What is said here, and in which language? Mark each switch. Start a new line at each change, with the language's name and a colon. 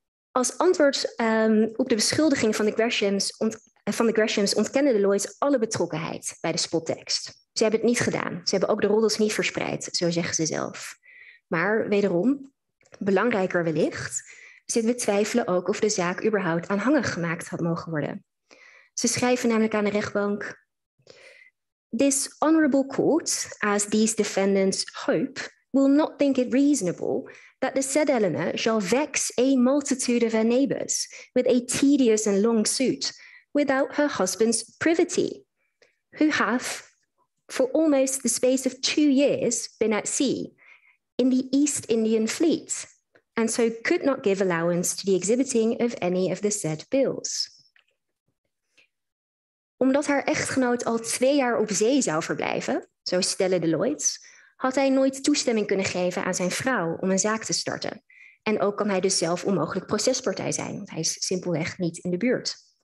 Dutch: Als antwoord op de beschuldiging van de Greshams, ontkennen de Lloyds alle betrokkenheid bij de spottekst. Ze hebben het niet gedaan. Ze hebben ook de roddels niet verspreid, zo zeggen ze zelf. Maar wederom, belangrijker wellicht, zitten we twijfelen ook of de zaak überhaupt aanhangig gemaakt had mogen worden. Ze schrijven namelijk aan de rechtbank:
English: "This honorable court, as these defendants hope, will not think it reasonable that the said Eleanor shall vex a multitude of her neighbors with a tedious and long suit without her husband's privity, who hath for almost the space of 2 years been at sea in the East Indian fleet, and so could not give allowance to the exhibiting of any of the said bills."
Dutch: Omdat haar echtgenoot al 2 jaar op zee zou verblijven, zo stellen de Lloyds, had hij nooit toestemming kunnen geven aan zijn vrouw om een zaak te starten. En ook kan hij dus zelf onmogelijk procespartij zijn, want hij is simpelweg niet in de buurt.